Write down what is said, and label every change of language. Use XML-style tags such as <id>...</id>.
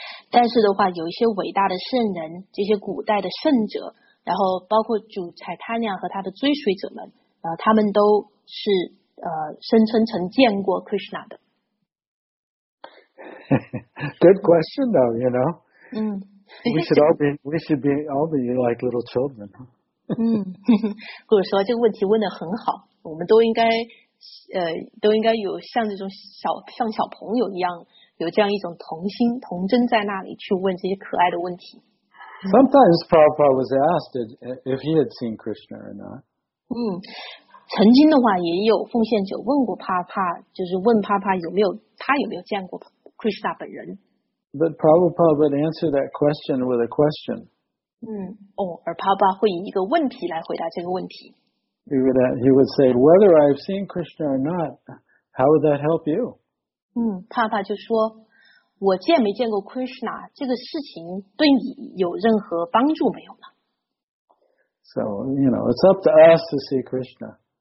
<zh>但是的话，有一些伟大的圣人，这些古代的圣者，然后包括主财他娘和他的追随者们，他们都是声称曾见过 Krishna 的。</zh> <en>Good question, though. You know. we should all be like little children.</en> <zh>或者说这个问题问得很好，我们都应该。都应该有像这种像小朋友一样有这样一种童心童真在那里去问这些可爱的问题。</zh> <en>Sometimes Prabhupada was asked if he had seen Krishna or not.</en> <zh>曾经的话也有奉献者问过Prabhupada，就是问Prabhupada有没有见过 Krishna 本人。</zh> <en>But Prabhupada would answer that question with a question.</en> <zh>而Prabhupada会以一个问题来回答这个问题。</zh> <en>He would say, whether I've seen Krishna or not, how would that help you?</en> <zh>帕帕就说，我见没见过 Krishna， 这个事情对你有任何帮助没有呢？</zh> <en>So, you know, it's up to us to see Krishna.</en>